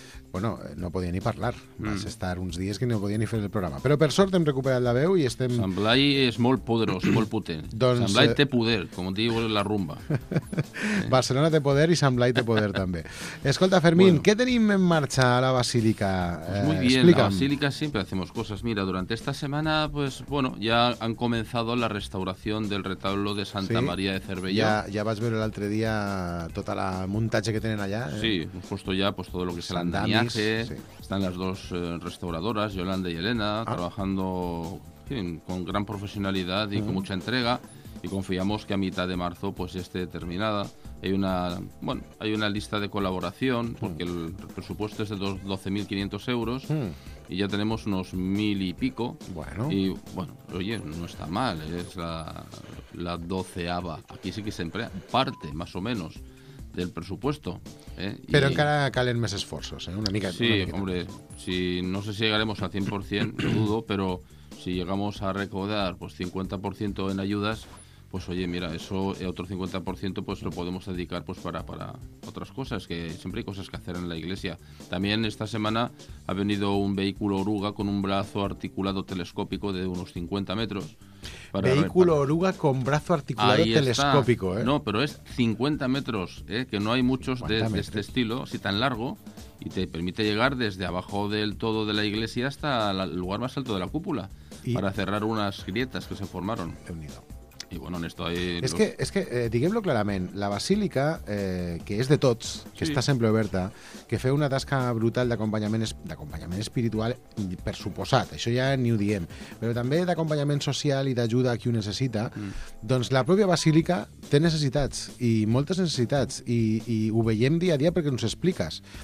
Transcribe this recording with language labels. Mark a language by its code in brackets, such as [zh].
[ca] Bueno, no podia ni parlar. Vas estar uns dies que no podia ni fer el programa. Però per sort hem recuperat la veu i estem... Sant Blai és molt poderós, molt potent. Doncs... Sant Blai té poder, com diu la rumba. Barcelona té poder i Sant Blai té poder també. Escolta, Fermín, bueno, què tenim en marxa a la Basílica? [es] Pues muy bien, [ca] explica'm. [es] La Basílica siempre hacemos cosas. Mira, durante esta semana, pues bueno, ya han comenzado la restauración del retablo de Santa María de Cervelló. [ca] Ja vas veure l'altre dia tota la muntatge que tenen allà. [es] Sí, hemos puesto ya pues todo lo que se l'han dañado. Sí. Están las dos restauradoras, Yolanda y Elena, trabajando con gran profesionalidad y con mucha entrega, y confiamos que a mitad de marzo pues ya esté terminada. Hay una lista de colaboración, porque el presupuesto es de 12.500 euros y ya tenemos unos 1.000 y pico. Bueno. Y bueno, oye, no está mal, es la doceava. Aquí sí que se emplea parte, más o menos, del presupuesto. [ca] Pero encara calen més esforços, una mica. [es] Sí, hombre, si no sé si llegaremos al 100%, lo dudo, pero si llegamos a recaudar pues 50% en ayudas, pues oye, mira, eso, otro 50% pues lo podemos dedicar pues para otras cosas, que siempre hay cosas que hacer en la iglesia. También esta semana ha venido un vehículo oruga con un brazo articulado telescópico de unos 50 metros. Vehículo oruga con brazo articulado ahí telescópico, está. No, pero es 50 metros, que no hay muchos de este estilo, así tan largo, y te permite llegar desde abajo del todo de la iglesia hasta el lugar más alto de la cúpula, para cerrar unas grietas que se formaron. De unido. Y bueno, en esto hay... [ca] Diguem-lo clarament, la Basílica, que és de tots, que està sempre oberta, que feu una tasca brutal d'acompanyament espiritual, per suposat, això ja ni ho diem, però també d'acompanyament social i d'ajuda a qui ho necessita, doncs la pròpia Basílica té necessitats, i moltes necessitats, i ho veiem dia a dia perquè ens expliques.